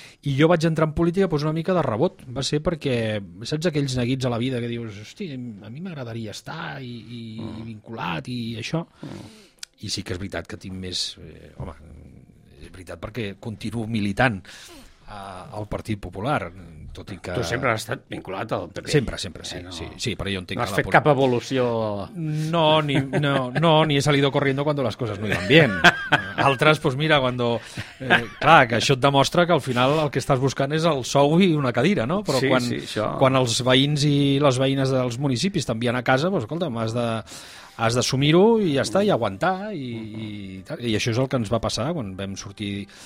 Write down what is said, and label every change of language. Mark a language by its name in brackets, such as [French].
[Catalan] I jo vaig entrar en política pues, una mica de rebot. Va ser perquè, saps aquells neguits a la vida que dius, hosti, a mi m'agradaria estar i vinculat i això. I sí que és veritat que tinc més... home, és veritat perquè continuo militant al Partit Popular, tot i que... Tu sempre has estat vinculat al PP. Sempre, sí. No. Sí, però jo entenc que... No has fet cap evolució... [Spanish] No, ni he salido corriendo cuando las cosas no iban bien. Altres, pues mira, cuando... [Catalan] clar, que això et demostra que al final el que estàs buscant és el sou i una cadira, no? Però sí, quan, sí, això... quan els veïns i les veïnes dels municipis t'envien a casa, pues escolta, m'has de... Has d'assumir-ho i ja està, i aguantar. I això és el que ens va passar quan vam sortir...